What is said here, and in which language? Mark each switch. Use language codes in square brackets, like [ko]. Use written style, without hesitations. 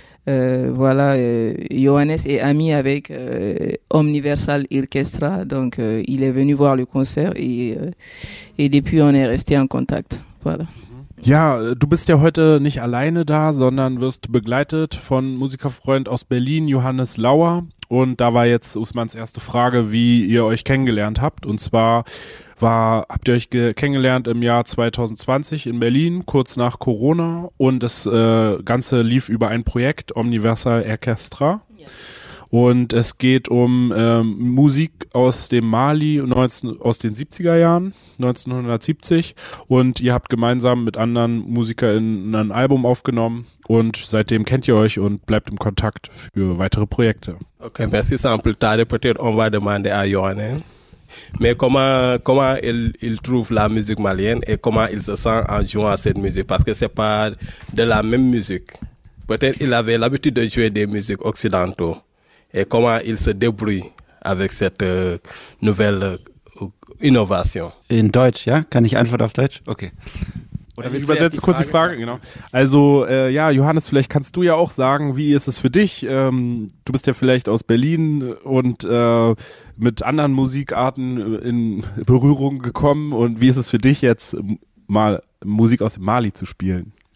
[fr] Voilà, Johannes est ami avec Omniversal Orchestra, donc il est venu voir le concert et depuis on est resté en contact. Voilà. [de] Ja, du bist ja heute nicht alleine da, sondern wirst begleitet von Musikerfreund aus Berlin, Johannes Lauer. Und da war jetzt Ousmans erste Frage, wie ihr euch kennengelernt habt. Und zwar habt ihr euch kennengelernt im Jahr 2020 in Berlin, kurz nach Corona. Und das Ganze lief über ein Projekt, Omniversal Orchestra. Ja. Und es geht um Musik aus dem Mali aus den 70er Jahren, 1970. Und ihr habt gemeinsam mit anderen MusikerInnen ein Album aufgenommen. Und seitdem kennt ihr euch und bleibt im Kontakt für weitere Projekte. [fr] Okay, merci. C'est un peu tard. Peut-être on va demander à Johanne. Mais comment il trouve la musique malienne et comment il se sent en jouant à cette musique? Parce que ce n'est pas de la même musique. Peut-être qu'il avait l'habitude de jouer des musiques occidentaux. Et comment il se débrouille avec cette nouvelle innovation? [de] In Deutsch, ja? Kann ich antworten auf Deutsch? Okay. Oder ich übersetze kurz die Frage, genau. Also ja, Johannes, vielleicht kannst du ja auch sagen, wie ist es für dich? Du bist ja vielleicht aus Berlin und mit anderen Musikarten in Berührung gekommen. Und wie ist es für dich jetzt, mal Musik aus Mali zu spielen?